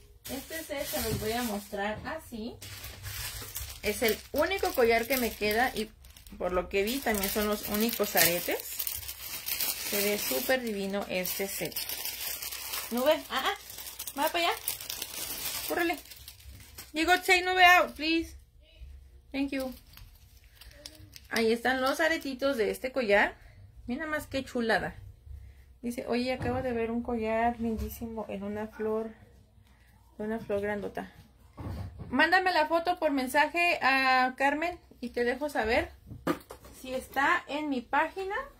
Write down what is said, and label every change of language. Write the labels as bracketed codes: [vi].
[es] Este set se los voy a mostrar así. Es el único collar que me queda y por lo que vi también son los únicos aretes. Se ve súper divino este set. Nube, ah, va para allá. Córrele. [en] You go take Nube out, please. Thank you. [es] Ahí están los aretitos de este collar. Mira nada más qué chulada. Dice, oye, acabo de ver un collar lindísimo en una flor. Una flor grandota. Mándame la foto por mensaje a Carmen y te dejo saber si está en mi página.